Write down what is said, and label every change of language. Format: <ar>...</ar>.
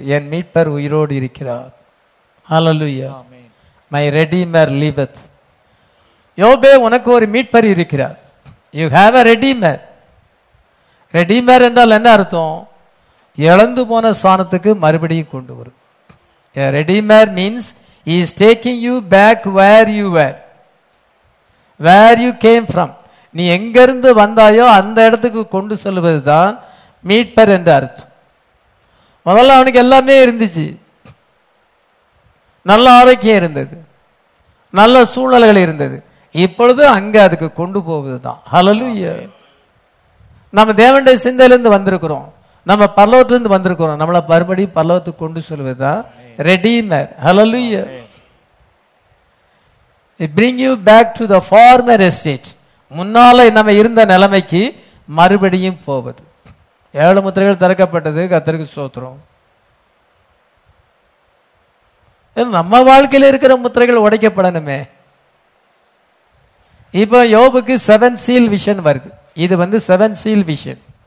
<ta>என் மீட்பர் உயிரோடு இருக்கிறார். ஹல்லேலூயா.</ta> <en>My Redeemer liveth.</en> <ta>யோபே, உனக்கு ஒரு மீட்பர் இருக்கிறார்.</ta> <en>You have a Redeemer.</en> <ta>ரெடிமேர் என்றால் என்ன அர்த்தம்? இழந்து போன ஸ்தானத்துக்கு மறுபடியும் கொண்டு வரும்.</ta> <en>A redeemer means he is taking you back where you were, where you came from.</en> <ta>நீ எங்கிருந்து வந்தாயோ அந்த இடத்துக்கு கொண்டு செல்வது தான் மீட்பர் என்று அர்த்தம். முதல்ல அவனுக்கு எல்லாமே இருந்துச்சு, நல்ல ஆரோக்கியம் இருந்தது, நல்ல சூழ்நிலைகள் இருந்தது. இப்பொழுது அங்கே அதுக்கு கொண்டு போவது தான். ஹல்லேலூயா. நம்ம தேவனுடைய சிந்தையிலிருந்து வந்திருக்கிறோம், நம்ம பல்லவத்திலிருந்து வந்திருக்கிறோம். நம்மளை மறுபடியும் பல்லவத்துக்கு கொண்டு செல்வது தான் redeemer. Hallelujah.</ta> <en>He bring you back to the former estate.</en> <ta>முன்னாலே நம்ம இருந்த நிலைமைக்கு மறுபடியும் போவது. ஏழு முத்திரைகள் திறக்கப்பட்டது. கர்த்தருக்கு ஸ்தோத்திரம். நம்ம வாழ்க்கையில் இருக்கிற முத்திரைகள் உடைக்கப்படணுமே. இப்ப யோபுக்கு 7 seal விஷன் வருது. இது வந்து 7 seal விஷன்.</ta>